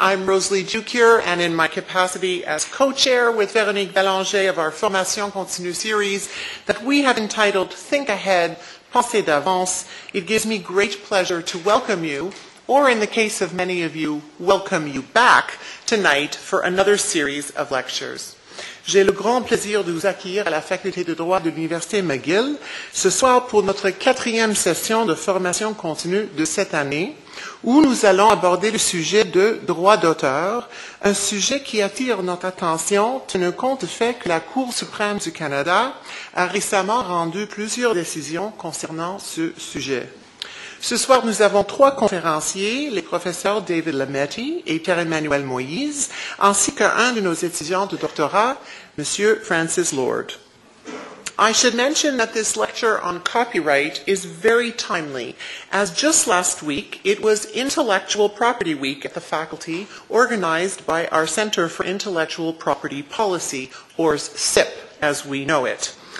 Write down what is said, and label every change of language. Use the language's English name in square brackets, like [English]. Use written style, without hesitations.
[English] I'm Rosalie Ducœur, and in my capacity as co-chair with Véronique Bélanger of our Formation Continue series that we have entitled Think Ahead, Pensez d'Avance, it gives me great pleasure to welcome you, or in the case of many of you, welcome you back tonight for another series of lectures. [French] J'ai le grand plaisir de vous accueillir à la Faculté de droit de l'Université McGill ce soir pour notre quatrième session de formation continue de cette année, où nous allons aborder le sujet de droit d'auteur, un sujet qui attire notre attention tenant compte du fait que la Cour suprême du Canada a récemment rendu plusieurs décisions concernant ce sujet. Ce soir, nous avons trois conférenciers, les professeurs David Lametti et Pierre-Emmanuel Moïse, ainsi qu'un de nos étudiants de doctorat, M. Francis Lord. [English] I should mention that this lecture on copyright is very timely, as just last week, it was Intellectual Property Week at the faculty, organized by our Center for Intellectual Property Policy, or CIP, as we know it.